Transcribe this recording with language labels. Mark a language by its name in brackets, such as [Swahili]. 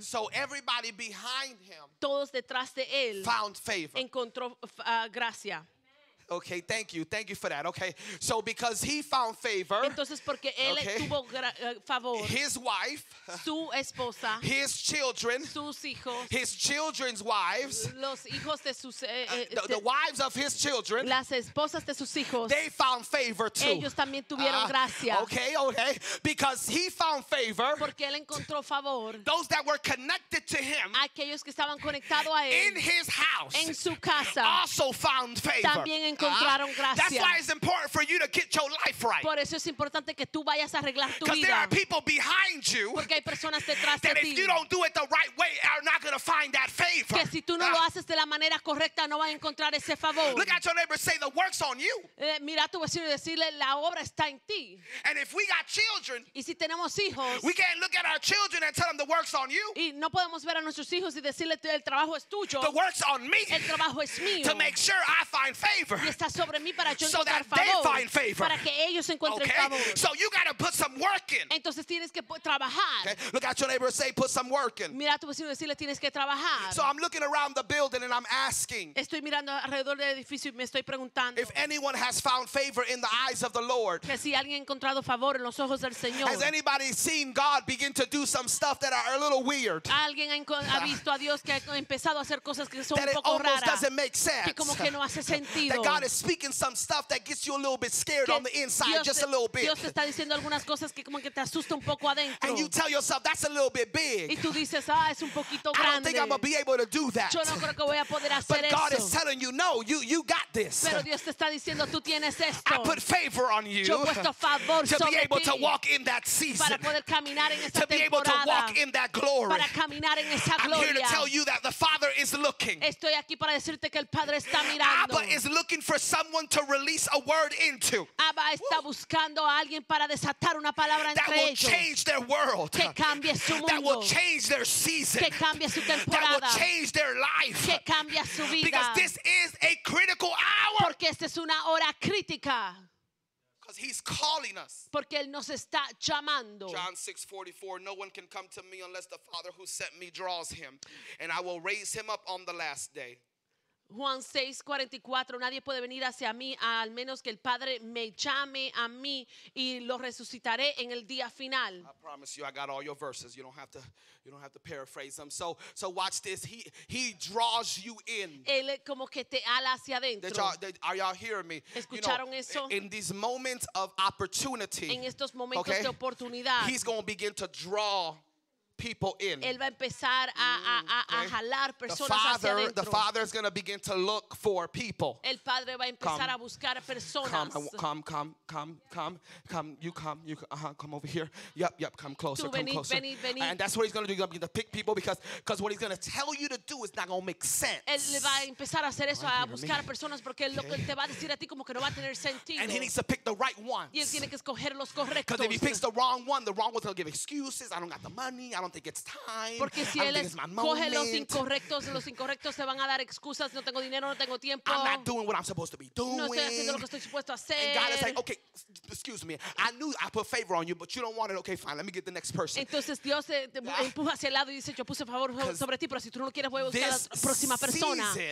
[English] So everybody behind him. [Spanish] Todos detrás de él. [English] Found favor. [Spanish] Encontró gracia. [English] Okay, thank you. Thank you for that. Okay. So because he found favor, [Spanish] entonces porque él tuvo favor, [English] his wife, [Spanish] su esposa, [English] his children, [Spanish] sus hijos, [English] his children's wives, [Spanish] los hijos de sus [English] the wives of his children, [Spanish] las esposas de sus hijos, [English] they found favor too. [Spanish] Ellos también tuvieron gracia. [English] Okay. Because he found favor, [Spanish] porque él encontró favor, [English] those that were connected to him, [Spanish] aquellos que estaban conectados a él, [English] in his house, [Spanish] en su casa, [English] also found favor. [Spanish] También encontraron gracia. [English] That's why it's important for you to get your life right. [Spanish] Por eso es importante que tú vayas a arreglar tu vida. [English] Because there are people behind you. [Spanish] Porque hay personas detrás de ti. [English] That if you don't do it the right way, are not going to find that favor. [Spanish] Que si tú no lo haces de la manera correcta, no vas a encontrar ese favor. [English] Look at your neighbor, say the work's on you. [Spanish] Mira a tu vecino y decirle la obra está en ti. [English] And if we got children, [Spanish] y si tenemos hijos, [English] we can't look at our children and tell them the work's on you. [Spanish] Y no podemos ver a nuestros hijos y decirle el trabajo es tuyo. [English] The work's on me. [Spanish] El trabajo es mío. [English] To make sure I find favor. [Spanish] Y está sobre mí para yo [English] so that [Spanish] favor, [English] they find favor. [Spanish] Para que ellos encuentren [English] okay? [Spanish] favor. [English] So you got to put some work in. [Spanish] Entonces tienes que trabajar. [English] Okay. Look at your neighbor and say, put some work in. [Spanish] Mira a tu vecino y decirle, tienes que trabajar. [English] So I'm looking around the building and I'm asking. [Spanish] Estoy mirando alrededor del edificio y me estoy preguntando. [English] If anyone has found favor in the eyes of the Lord. [Spanish] Que si alguien ha encontrado favor en los ojos del Señor. [English] Has anybody seen God begin to do some stuff that are a little weird? [Spanish] Alguien ha visto a Dios que ha empezado a hacer cosas que son un poco raras. [English] That almost doesn't make sense. [Spanish] Que como que no hace sentido. [English] That God is speaking some stuff that gets you a little bit scared on the inside, [Spanish] Dios, [English] just a little bit. [Spanish] Dios está diciendo algunas cosas que como que te asusta un poco adentro. [English] And you tell yourself, that's a little bit big. [Spanish] Y tú dices, ah, es un poquito grande. [English] I don't think I'm gonna be able to do that. [Spanish] Yo no creo que voy a poder hacer [English] But God [Spanish] eso. [English] Is telling you, no, you got this. [Spanish] Pero Dios te está diciendo, tú tienes esto. [English] I put favor on you. [Spanish] Yo he puesto favor [English] to be able to walk in that season. [Spanish] Para poder caminar en esa temporada. [English] To be able to walk in that glory. [Spanish] Para caminar en esa gloria. [English] I'm here to tell you that the Father is looking. [Spanish] Estoy aquí para decirte que el Padre está mirando. [English] Abba is looking for someone to release a word into. [Spanish] Abba está buscando a alguien para desatar una palabra entre ellos. [English] That will change their world. [Spanish] Que cambie su mundo. [English] That will change their season. [Spanish] Que cambie su temporada. [English] That will change their life. [Spanish] Que cambie su vida. [English] Because this is a critical hour. [Spanish] Porque esta es una hora crítica. [English] Because he's calling us. [Spanish] Porque él nos está llamando. [English] John 6:44. No one can come to me unless the Father who sent me draws him, and I will raise him up on the last day. [Spanish] Juan 6:44. Nadie puede venir hacia mí al menos que el Padre me llame a mí y lo resucitaré en el día final. [English] I promise you, I got all your verses. You don't have to paraphrase them. So watch this. He draws you in. [Spanish] Él como que te ala hacia adentro. [English] Are y'all hearing me? [Spanish] ¿Escucharon eso? [English] In these moments of opportunity. [Spanish] En estos momentos de oportunidad. [English] He's going to begin to draw people in. [Spanish] Él va a empezar a jalar personas hacia adentro. [English] The Father is going to begin to look for people. [Spanish] El Padre va a empezar a buscar personas. [English] Come. You come over here. Yep. Come closer. [Spanish] Venid. [English] And that's what he's going to do. He's going to begin to pick people because what he's going to tell you to do is not going to make sense. [Spanish] Él va a empezar a hacer eso, a buscar personas porque lo que te va a decir a ti como que no va a tener sentido. [English] And he needs to pick the right ones. [Spanish] Y él tiene que escoger los correctos. [English] Because if he picks the wrong ones, he'll give excuses. I don't got the money. I don't think it's time. [Spanish] Porque si él escoge los incorrectos se van a dar excusas. No tengo dinero, no tengo tiempo. [English] I'm not doing what I'm supposed to be doing. [Spanish] No estoy haciendo lo que estoy supuesto a hacer. [English] And God is like, okay, excuse me. I knew I put favor on you, but you don't want it. Okay, fine. Let me get the next person. [Spanish] Entonces Dios te empuja hacia el lado y dice, yo puse favor sobre ti, pero si tú no quieres, voy a buscar a la próxima persona.